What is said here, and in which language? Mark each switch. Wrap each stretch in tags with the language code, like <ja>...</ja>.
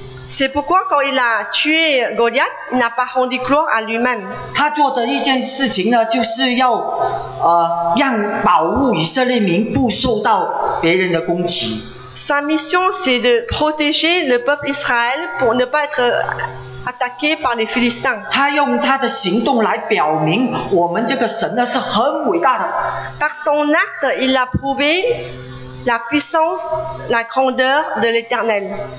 <fr>C'est pourquoi quand il a tué Goliath, il n'a pas rendu gloire à lui-même.</fr> <zh>他做的一件事情呢，就是要让保护以色列民不受到别人的攻击。</zh> <fr>Sa mission, c'est de protéger le peuple Israël pour ne pas être attaqué par les Philistins. Par son acte, il a prouvé la puissance, la grandeur de l'Éternel.</fr>